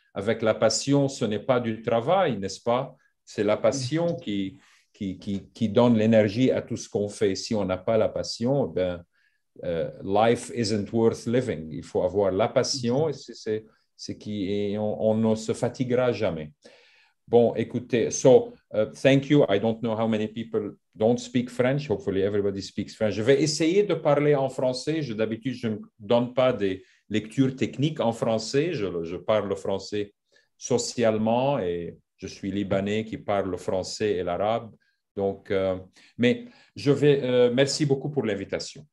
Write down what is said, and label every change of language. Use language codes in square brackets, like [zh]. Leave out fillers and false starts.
[fr] Avec la passion, ce n'est pas du travail, n'est-ce pas? C'est la passion qui donne l'énergie à tout ce qu'on fait. Si on n'a pas la passion, [en] life isn't worth living. [fr] Il faut avoir la passion et on ne se fatiguera jamais. Bon, écoutez, [en] thank you. I don't know how many people don't speak French. Hopefully everybody speaks French. [fr] Je vais essayer de parler en français. D'habitude, je ne donne pas des lectures techniques en français. Je parle le français socialement et je suis Libanais qui parle le français et l'arabe. Donc, merci beaucoup pour l'invitation.